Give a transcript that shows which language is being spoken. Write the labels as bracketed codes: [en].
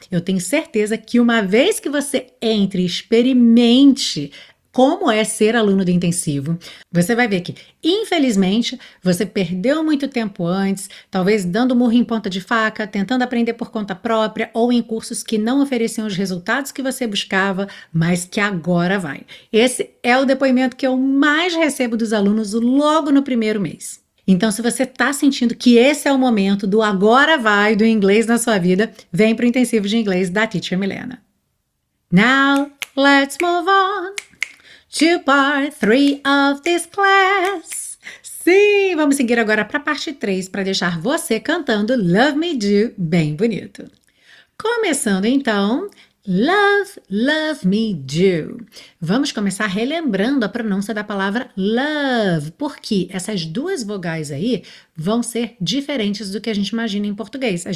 [pt] Eu tenho certeza que uma vez que você entre e experimente como é ser aluno do intensivo, você vai ver que, infelizmente, você perdeu muito tempo antes, talvez dando murro em ponta de faca, tentando aprender por conta própria ou em cursos que não ofereciam os resultados que você buscava, mas que agora vai. Esse é o depoimento que eu mais recebo dos alunos logo no primeiro mês. Então, se você está sentindo que esse é o momento do agora vai do inglês na sua vida, vem para o intensivo de inglês da Teacher Milena. [en] Now, let's move on to part 3 of this class. [pt] Sim, vamos seguir agora para a parte 3 para deixar você cantando Love Me Do bem bonito. Começando então, Love Me Do. Vamos começar relembrando a pronúncia da palavra love, porque essas duas vogais aí vão ser diferentes do que a gente imagina em português.